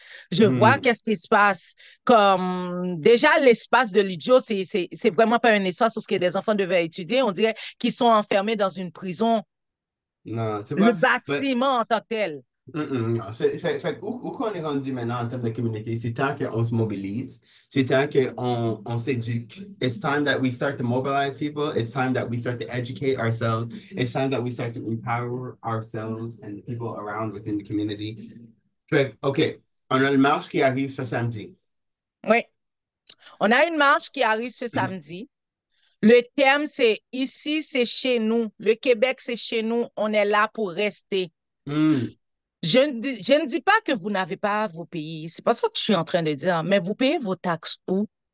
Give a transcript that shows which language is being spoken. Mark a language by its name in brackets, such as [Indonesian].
[French] Je vois qu'est-ce qui se passe. Comme déjà, l'espace de l'idiot, c'est vraiment pas un espace où ce que des enfants devaient étudier. On dirait qu'ils sont enfermés dans une prison. Non, tu Le vois, [English] but [French] bâtiment en tant que tel. non. Fait où qu'on est rendu maintenant en termes de communauté, c'est temps qu'on se mobilise, c'est temps qu'on s'éduque. [English] It's time that we start to mobilize people, it's time that we start to educate ourselves, it's time that we start to empower ourselves and the people around within the community. [French] Fait, OK, on a le marche qui arrive ce samedi. Oui, on a une marche qui arrive ce samedi. Le thème, c'est ici, c'est chez nous. Le Québec, c'est chez nous. On est là pour rester. Je ne dis pas que vous n'avez pas vos pays. C'est pas ça que je suis en train de dire. Mais vous payez vos taxes où?